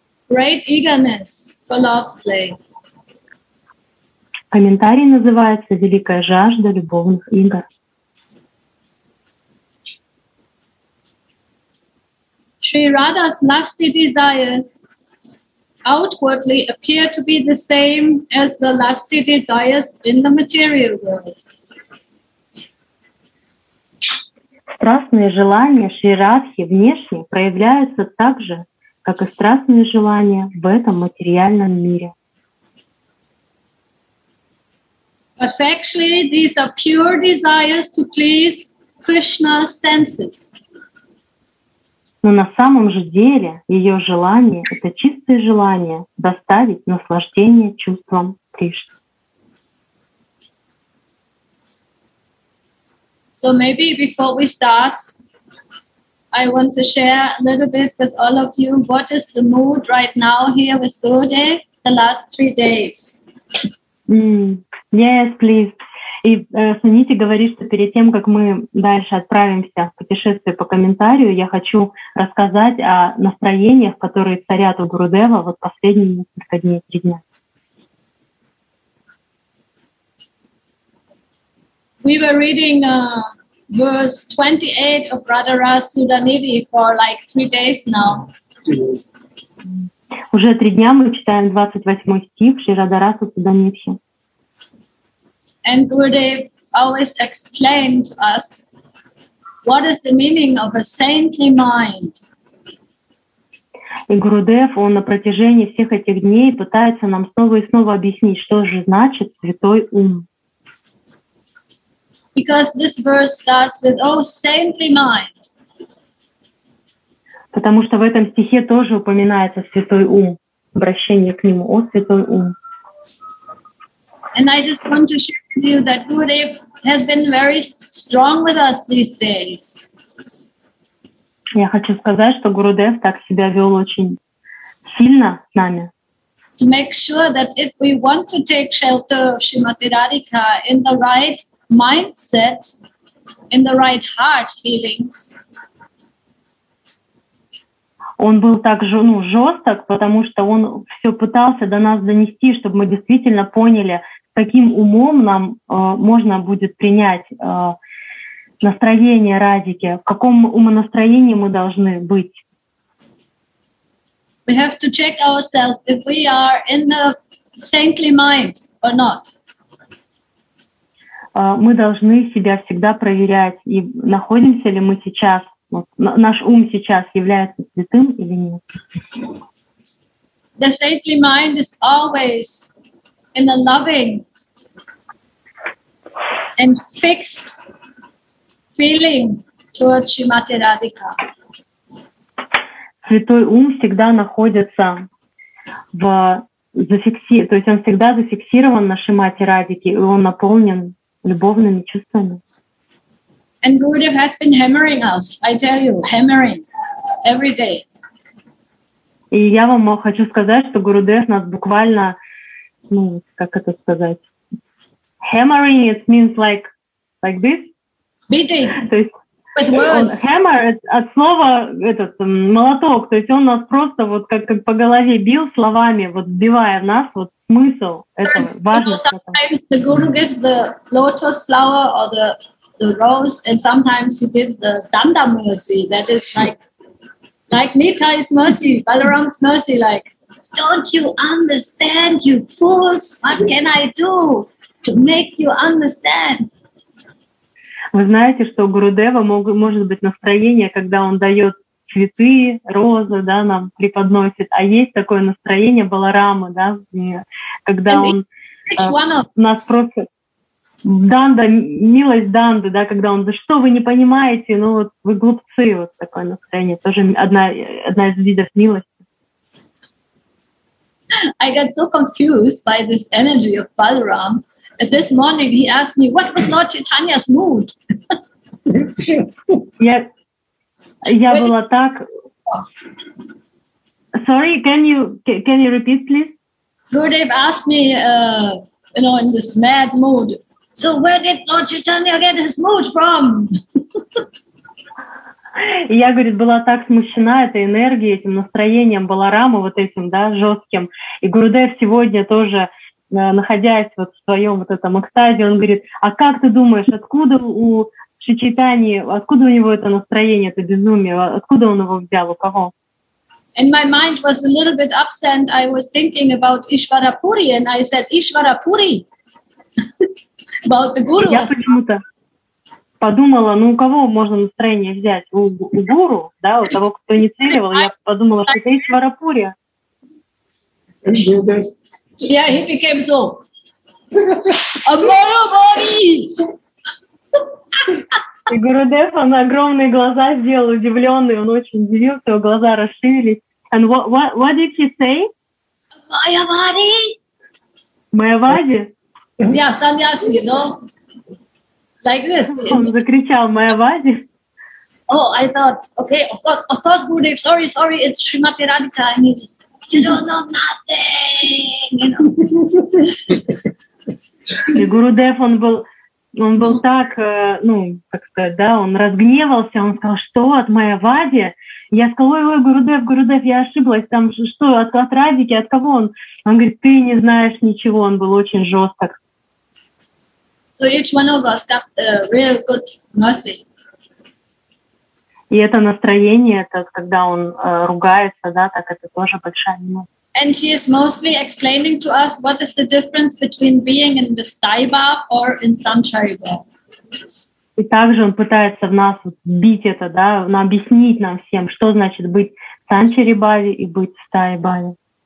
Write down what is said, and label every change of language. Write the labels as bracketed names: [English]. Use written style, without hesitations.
[English] Great eagerness for love play. [Russian] Комментарий называется «Великая жажда любовных игр». [English] Sri Radha's lusty desires outwardly appear to be the same as the lusty desires in the material world. [Russian] Страстные желания Шри Радхи внешне проявляются так же, как и страстные желания в этом материальном мире. [English] But factually, these are pure desires to please Krishna's senses. [Russian] Но на самом же деле ее желание — это чистое желание доставить наслаждение чувствам Кришны. [English] So maybe before we start, I want to share a little bit with all of you what is the mood right now here with Gurudev the last three days. Yes, please. [Russian] И Суните говорит, что перед тем, как мы дальше отправимся в путешествие по комментарию, я хочу рассказать о настроениях, которые царят у Гурудева вот последние несколько дней, три дня. [English] We were reading verse 28 of Radharas Sudhanidhi for like three days now. [Russian] Уже три дня мы читаем 28 стих Шри Радхарасу Суданидхи. [English] And Gurudev always explained to us what is the meaning of a saintly mind. [Russian] И Гурудев, он на протяжении всех этих дней пытается нам снова и снова объяснить, что же значит святой ум. [English] Because this verse starts with "Oh, saintly mind." [Russian] Потому что в этом стихе тоже упоминается святой ум, обращение к нему, о святой ум. [English] And I just want to share with you that Gurudev has been very strong with us these days. [Russian] Я хочу сказать, что Гурудев так себя вел очень сильно с нами. [English] To make sure that if we want to take shelter of Shrimati Radhika in the right mindset, in the right heart feelings. [Russian] Он был так же, жесток, потому что он все пытался до нас донести, чтобы мы действительно поняли, каким умом нам можно будет принять настроение Радхики, в каком умонастроении мы должны быть. [English] We have to check ourselves if we are in the saintly mind or not. [Russian] Мы должны себя всегда проверять, и находимся ли мы сейчас, наш ум сейчас является святым или нет. [English] The saintly mind is always in a loving and fixed feeling towards Shrimati Radhika. [Russian] Святой ум всегда находится в зафиксированном, то есть он всегда зафиксирован на Шримати Радхике, и он наполнен любовными чувствами. [English] And Gurudev has been hammering us, I tell you, hammering every day. [Russian] И я вам хочу сказать, что Гурудев нас буквально, как это сказать? [English] Hammering, it means like this. Beating. [Russian] То есть, [English] with words. [Russian] Hammer от слова этот молоток. То есть он нас просто вот как по голове бил словами, вот сбивая нас вот. Смысл этого, важность этого. [English] Sometimes the guru gives the lotus flower or the rose, and sometimes he gives the danda mercy. That is like Nita's mercy, Balaram's mercy. Like, don't you understand, you fools? What can I do to make you understand? [Russian] Вы знаете, что у Гурудева может быть настроение, когда он дает цветы, розы, да, нам преподносит. А есть такое настроение Баларамы, да, когда он нас просит данда, милость данды, да, когда он, да что вы не понимаете, ну вот вы глупцы, вот такое настроение, тоже одна из видов милости. [English] I got so confused by this energy of Balaram. This morning he asked me, what was Lord Chaitanya's mood? [Russian] Я была так. [English] Sorry, can you repeat, please? Gurudev asked me, in this mad mood. So where did Lord Chaitanya get his mood from? [Russian] Я, говорит, была так смущена этой энергией, этим настроением Баларамы, вот этим, да, жестким. И Гурудев сегодня тоже, находясь вот в своем вот этом экстазе, он говорит, а как ты думаешь, откуда у Шичайтани, откуда у него это настроение, это безумие, откуда он его взял, у кого? [English] And my mind was a little bit upset. I was thinking about Ishvara Puri, and I said, Ishvara Puri, about the guru. [Russian] Я почему-то подумала, ну у кого можно настроение взять? У гуру, да, у того, кто инициировал, я подумала, что это Ишвара Пури. [English] Yeah, he became so. Amaro Pari! [Russian] И Гурудев, он огромные глаза сделал, удивленный, он очень удивился, его глаза расширились. [English] And what did he say? Mayavadi. Mayavadi? Yeah, sannyasi, you know. Like this. [Russian] Он закричал, Mayavadi. [English] Oh, I thought, okay, of course, Gurudev, sorry, it's Srimati Radhika, and he just, you don't know nothing, you know. [Russian] И Гурудев, он был так, ну, как сказать, да, он разгневался, он сказал, что от Mayavadi? Я сказала, ой, Гурудев, я ошиблась, там что, от Радики, от кого он? Он говорит, ты не знаешь ничего, он был очень жесток. [English] So each one of us got a real good mercy. [Russian] И это настроение, это когда он ругается, да, так это тоже большая мощь. [English] And he is mostly explaining to us what is the difference between being in the sky bath or in sanctuary bath. [Russian] И также он пытается в нас бить это, да, объяснить нам всем, что значит быть в sanctuary bath и быть в sky bath.